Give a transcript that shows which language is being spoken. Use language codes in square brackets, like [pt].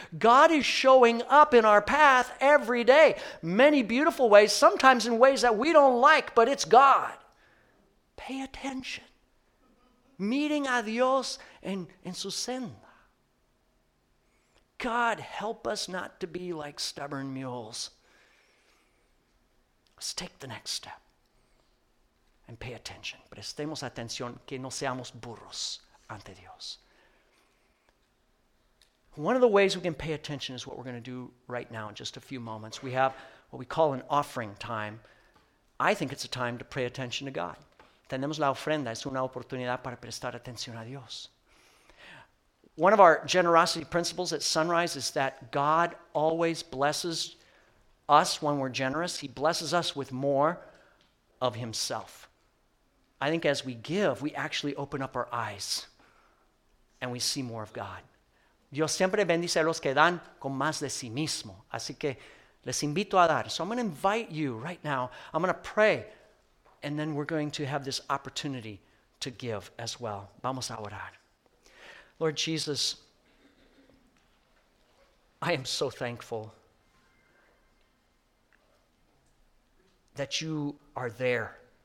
[en] God is showing up in our path every day. Many beautiful ways, sometimes in ways that we don't like, but it's God. Pay attention. [es] Meeting a Dios en su senda. [en] God, help us not to be like stubborn mules. Let's take the next step and pay attention. [es] Prestemos atención que no seamos burros ante Dios. [en] One of the ways we can pay attention is what we're going to do right now in just a few moments. We have what we call an offering time. I think it's a time to pay attention to God. [es] Tenemos la ofrenda, es una oportunidad para prestar atención a Dios. [en] One of our generosity principles at Sunrise is that God always blesses us when we're generous. He blesses us with more of himself. I think as we give, we actually open up our eyes and we see more of God. [es] Dios siempre bendice a los que dan con más de sí mismo. Así que les invito a dar. [en] So I'm going to invite you right now. I'm going to pray, and then we're going to have this opportunity to give as well. [es] Vamos a orar. [en] Lord Jesus, I am so thankful that you are there.